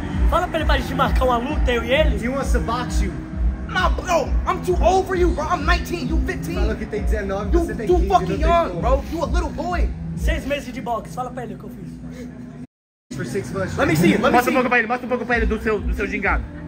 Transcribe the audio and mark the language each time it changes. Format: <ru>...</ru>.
<pt>Fala pra ele pra gente marcar uma luta, eu e ele.</pt> <en>He wants to box you. No, nah, bro, I'm too old for you, bro. I'm 19, you 15.</en> <pt>Falou que tem 19,</pt> <en>you,</en> <pt>você tem</pt> <en>too fucking young, bro. You a little boy.</en> <pt>6 meses de boxe, fala pra ele o que eu fiz.</pt> <en>For 6 months. Let me see, let me</en> <pt>mostra</pt> <en>see.</en> <pt>Um pouco pra ele, mostra um pouco pra ele do seu gingado.</pt>